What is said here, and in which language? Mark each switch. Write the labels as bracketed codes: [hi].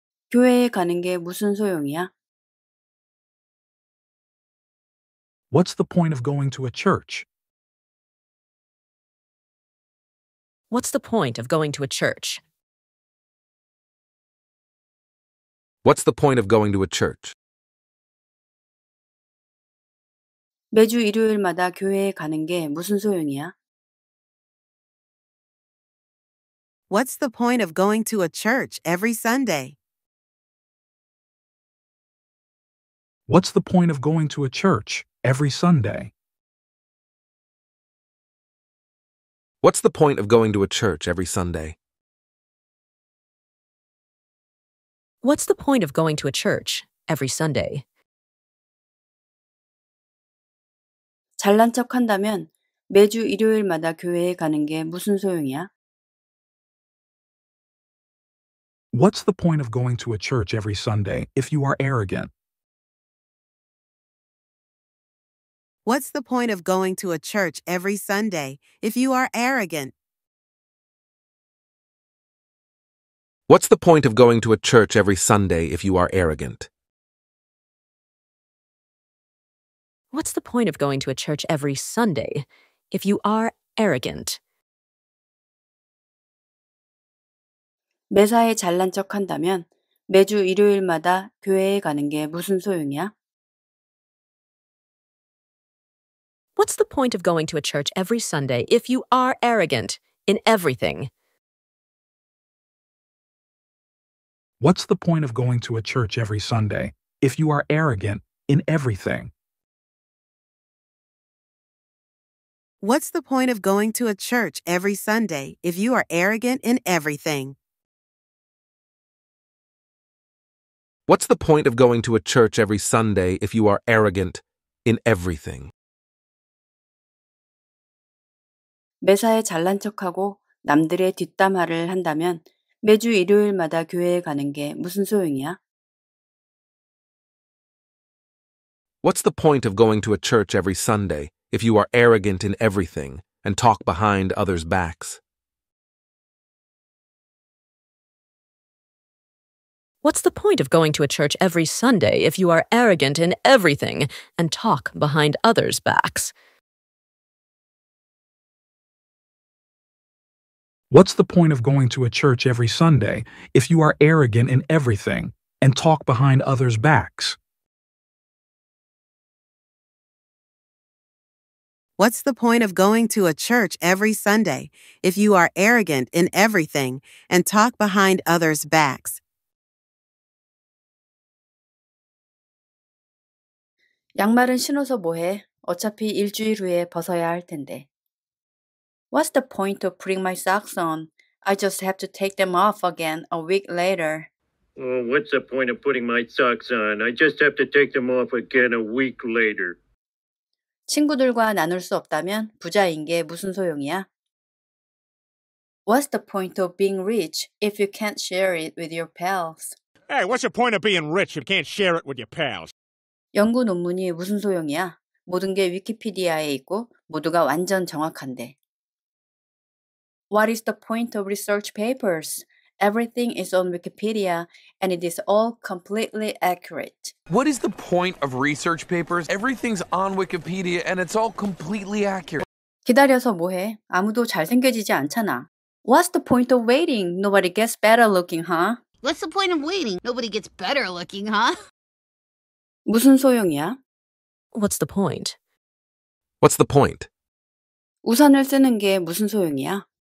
[ko] 교회에 가는 게 무슨 소용이야? [en] What's the point of going to a church? What's the point of going to a church? What's the point of going to a church? [ko] 매주 일요일마다 교회에 가는 게 무슨 소용이야? [en] What's the point of going to a church every Sunday? What's the point of going to a church every Sunday? What's the point of going to a church every Sunday? What's the point of going to a church every Sunday? [ko] 잘난 척한다면 매주 일요일마다 교회에 가는 게 무슨 소용이야? [en] What's the point of going to a church every Sunday if you are arrogant? What's the point of going to a church every Sunday if you are arrogant? What's the point of going to a church every Sunday if you are arrogant? What's the point of going to a church every Sunday if you are arrogant? [ko] 매사에 잘난 척한다면 매주 일요일마다 교회에 가는 게 무슨 소용이야? [en] What's the point of going to a church every Sunday if you are arrogant in everything? What's the point of going to a church every Sunday if you are arrogant in everything? What's the point of going to a church every Sunday if you are arrogant in everything? What's the point of going to a church every Sunday if you are arrogant in everything? [ko] 매사에 잘난 척하고 남들의 뒷담화를 한다면 매주 일요일마다 교회에 가는 게 무슨 소용이야? [en] What's the point of going to a church every Sunday if you are arrogant in everything and talk behind others' backs? What's the point of going to a church every Sunday if you are arrogant in everything and talk behind others' backs? What's the point of going to a church every Sunday if you are arrogant in everything and talk behind others' backs? What's the point of going to a church every Sunday if you are arrogant in everything and talk behind others' backs? [ko] 양말은 신어서 뭐해? 어차피 일주일 후에 벗어야 할 텐데. [en] What's the point of putting my socks on? I just have to take them off again a week later. Well, what's the point of putting my socks on? I just have to take them off again a week later. [ko] 친구들과 나눌 수 없다면 부자인 게 무슨 소용이야? [en] What's the point of being rich if you can't share it with your pals? Hey, what's the point of being rich if you can't share it with your pals? [ko] 연구 논문이 무슨 소용이야? 모든 게 위키피디아에 있고 모두가 완전 정확한데. [en] What is the point of research papers? Everything is on Wikipedia, and it is all completely accurate. What is the point of research papers? Everything's on Wikipedia, and it's all completely accurate. [ko] 기다려서 뭐해? 아무도 잘생겨지지 않잖아. [en] What's the point of waiting? Nobody gets better looking, huh? What's the point of waiting? Nobody gets better looking, huh? [ko] 무슨 소용이야? [en] What's the point? What's the point? [ko] 우산을 쓰는 게 무슨 소용이야?